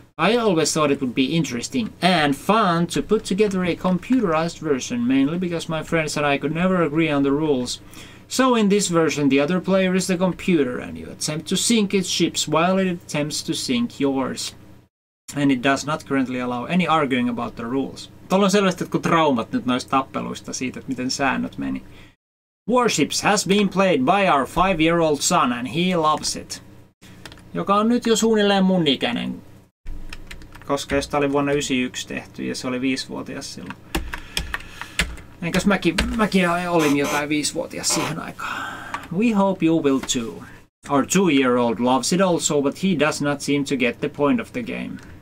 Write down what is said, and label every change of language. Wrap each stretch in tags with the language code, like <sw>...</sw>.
<en>I always thought it would be interesting and fun to put together a computerized version, mainly because my friends and I could never agree on the rules. So in this version, the other player is the computer and you attempt to sink its ships while it attempts to sink yours. And it does not currently allow any arguing about the rules.</en> <fi>Tuolla on selvästi jotkut traumat nyt noista tappeluista siitä, että miten säännöt meni.</fi> <en>Warships has been played by our 5-year-old son and he loves it.</en> <fi>Joka on nyt jo suunnilleen mun ikäinen. Koska sitä oli vuonna 91 tehty ja se oli 5-vuotias silloin. Enkäs mäkin olin jotain 5-vuotias siihen aikaan.</fi> <en>We hope you will too. Our 2-year-old loves it also, but he does not seem to get the point of the game.</en>